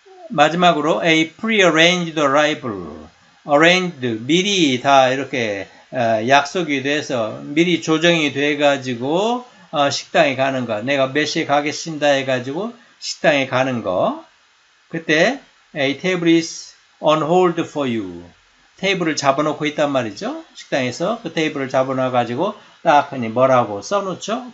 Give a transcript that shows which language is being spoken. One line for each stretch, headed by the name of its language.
Korean: 마지막으로
English: a pre-arranged arrival,
Korean: arranged 미리 다 이렇게 약속이 돼서 미리 조정이 돼가지고 식당에 가는 거. 내가 몇 시에 가겠습니다 해가지고 식당에 가는 거. 그때
English: a table is on hold for you.
Korean: 테이블을 잡아놓고 있단 말이죠. 식당에서 그 테이블을 잡아놔가지고 딱 하니 뭐라고 써놓죠?